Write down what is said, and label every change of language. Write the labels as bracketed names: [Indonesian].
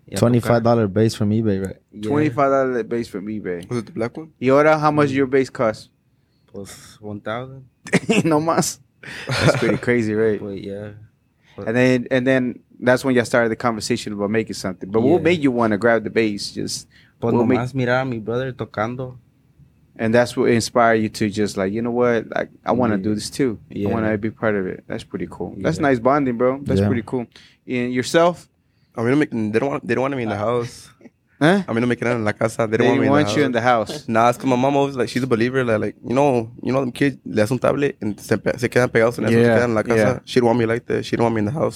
[English] $25 tocar. Bass from eBay, right? Yeah. $25 bass from eBay. Was it the black one? [Spanish] Y ahora, [English] how much your bass cost? [Spanish] Pues, $1,000. No más. [English] That's pretty crazy, right? But yeah. And then that's when y'all started the conversation about making something. But what made you want to grab the bass? Just [Spanish] pues, nomás mirar a mi brother tocando. [English] And that's what inspired you to just like, you know what, like I want to do this too. Yeah. I want to be part of it. That's pretty cool. Yeah. That's nice bonding, bro. That's pretty cool. And yourself? I mean, they don't want me in the house. Huh? I mean, I'm making it in [Spanish] la casa. [English] They don't want you in the house. Nah, it's because my mom always like, she's a believer. Like you know, them kids, they have a tablet and [Spanish] se quedan pegados en la casa. [English] Yeah. She don't want me like that. She don't want me in the house.